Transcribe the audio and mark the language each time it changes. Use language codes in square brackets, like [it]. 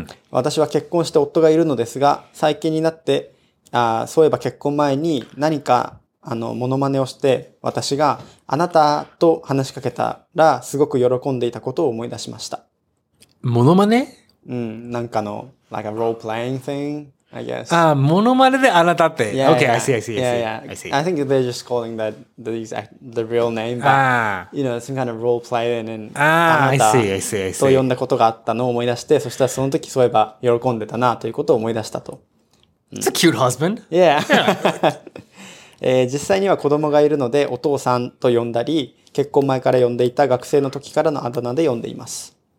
[ja] 私は結婚して夫がいるのですが、最近になって、そういえば結婚前に何かモノマネをして、私があなたと話しかけたら、すごく喜んでいたことを思い出しました。モノマネ？うん、なんかの、 [en] like a role playing thing, I guess. [ja] あ、モノマネであなたって。 [en] Yeah, okay, yeah. I see, I see, I see. Yeah, yeah. I think they're just calling that the real name, but, you know, some kind of role playing and, I see. [ja] と呼んだことがあったのを思い出して、そしたらその時、そういえば喜んでたなということを思い出したと。 [en] It's a cute husband. Yeah. yeah. [ja] 実際には子供がいるので、お父さんと呼んだり、結婚前から呼んでいた学生の時からのあだ名で呼んでいます。